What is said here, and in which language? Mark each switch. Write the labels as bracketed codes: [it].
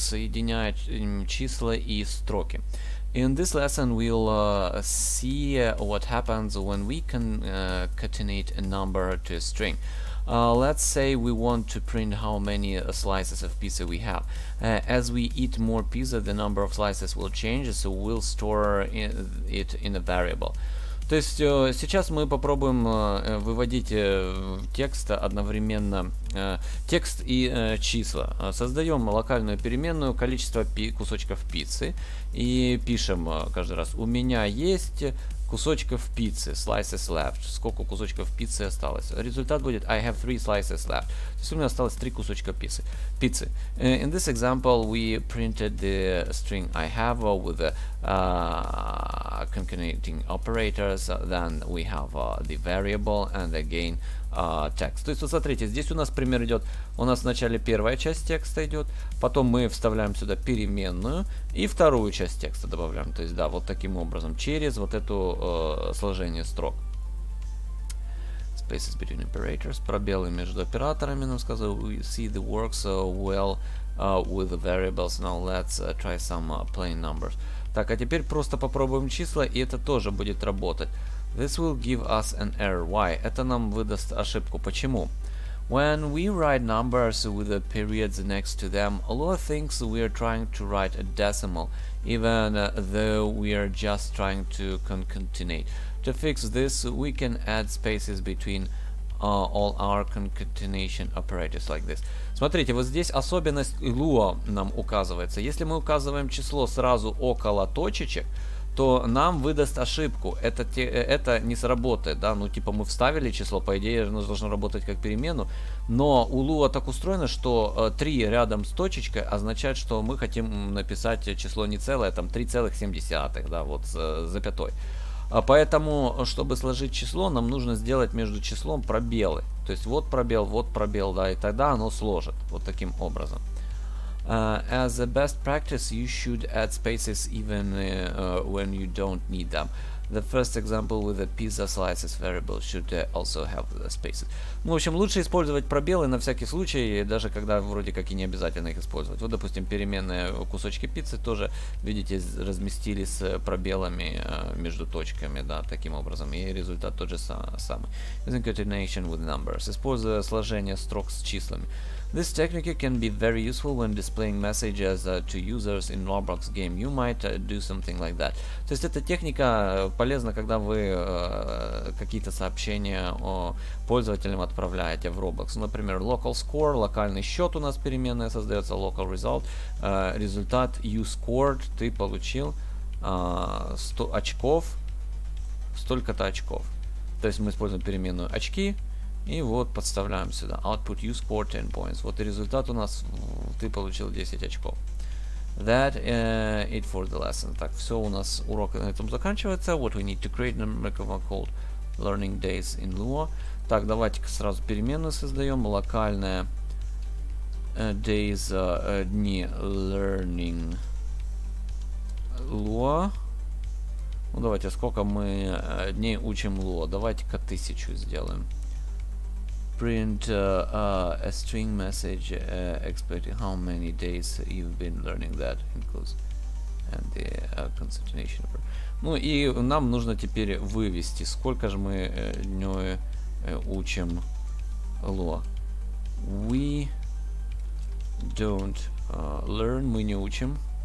[ru] Соединяет числа и строки. [en] In this lesson we'll see what happens when we can concatenate a number to a string. Let's say we want to print how many slices of pizza we have. As we eat more pizza, the number of slices will change, so we'll store it in a variable. [ru] То есть сейчас мы попробуем выводить текст одновременно, текст и числа. Создаем локальную переменную количество кусочков пиццы и пишем каждый раз: у меня есть кусочков пиццы, [en] slices left, [ru] сколько кусочков пиццы осталось. Результат будет: [en] I have 3 slices left. [ru] То есть у меня осталось 3 кусочка пиццы. [en] In this example we printed the string I have with the concatenating operators, then we have the variable and again text. [ru] То есть вот смотрите, здесь у нас пример идет, у нас в начале первая часть текста идет, потом мы вставляем сюда переменную и вторую часть текста добавляем, то есть да, вот таким образом через вот эту сложение строк. [en] Spaces between operators, [ru] пробелы между операторами, нам сказали, [en] we see the works well with the variables, now let's try some plain numbers. [ru] Так, а теперь просто попробуем числа, и это тоже будет работать. [en] This will give us an error. Why? [ru] Это нам выдаст ошибку. Почему? [en] When we write numbers with the periods next to them, Allah thinks we are trying to write a decimal, even though we are just trying to concatenate. To fix this, we can add spaces between all our concatenation operators like this. [ru] Смотрите, вот здесь особенность Lua нам указывается. Если мы указываем число сразу около точечек, то нам выдаст ошибку. Это не сработает, да? Ну, типа, мы вставили число, по идее, оно должно работать как перемену. Но у Lua так устроено, что 3 рядом с точечкой означает, что мы хотим написать число не целое, там 3,7, да, вот с запятой. Поэтому, чтобы сложить число, нам нужно сделать между числом пробелы. То есть вот пробел, да, и тогда оно сложит вот таким образом. [en] As a best practice, you should add spaces even when you don't need them. The first example with the pizza slices variable should also have the spaces. [ru] Ну, в общем, лучше использовать пробелы на всякий случай, даже когда вроде как и не обязательно их использовать. Вот, допустим, переменные кусочки пиццы тоже, видите, разместили с пробелами между точками, да, таким образом. И результат тот же самый. [en] Using concatenation with numbers. [ru] Используя сложение строк с числами. [en] This technique can be very useful when displaying messages to users in Roblox game. You might do something like that. [ru] То есть эта техника полезна, когда вы какие-то сообщения о пользователям отправляете в Roblox. Например, [en] local score, [ru] локальный счет у нас переменная создается, [en] local result, [ru] результат [en] you scored, [ru] ты получил 100 очков, столько-то очков. То есть мы используем переменную очки. И вот подставляем сюда. [en] Output you score 10 points. [ru] Вот и результат у нас. Ты получил 10 очков. [en] That it for the lesson. [ru] Так, все у нас урок на этом заканчивается. [en] What we need to create a number called learning days in Lua. [ru] Так, давайте-ка сразу переменную создаем. Локальная [en] days, [ru] дни [en] learning Lua. [ru] Ну давайте, сколько мы дней учим Lua? Давайте-ка 1000 сделаем. [en] Print a string message expecting how many days you've been learning that includes and the concatenation. [ru] Ну и нам нужно теперь вывести, сколько же мы днём учим Lua. [en] We don't learn, [ru] мы не учим